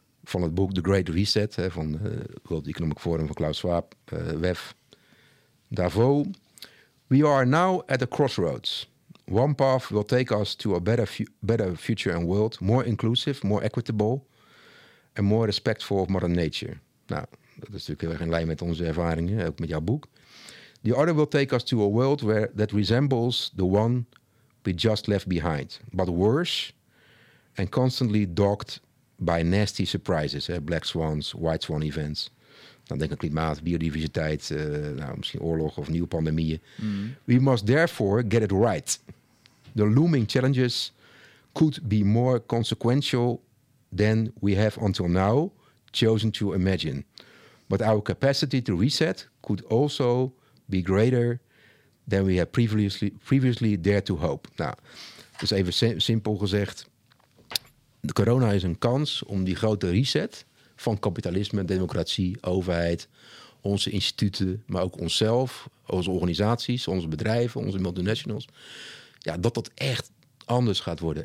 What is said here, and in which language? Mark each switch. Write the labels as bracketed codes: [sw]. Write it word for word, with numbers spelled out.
[nl] van het boek The Great Reset hè, van uh, World Economic Forum van Klaus Schwab, uh, W E F, Davos. [en] We are now at a crossroads. One path will take us to a better, fu- better future and world, more inclusive, more equitable and more respectful of mother nature. [nl] Nou, dat is natuurlijk heel erg in lijn met onze ervaringen, ook met jouw boek. [en] The other will take us to a world where that resembles the one we just left behind, but worse and constantly dogged by nasty surprises. Hè? Black swans, white swan events. [nl] Dan denk ik aan klimaat, biodiversiteit, uh, nou, misschien oorlog of nieuwe pandemieën. [en] Mm. We must therefore get it right. The looming challenges could be more consequential than we have until now chosen to imagine. But our capacity to reset could also be greater than we had previously, previously dared to hope. [nl] Nou, dus even sim- simpel gezegd. De corona is een kans om die grote reset van kapitalisme, democratie, overheid, onze instituten, maar ook onszelf, onze organisaties, onze bedrijven, onze multinationals. Ja, dat dat echt anders gaat worden.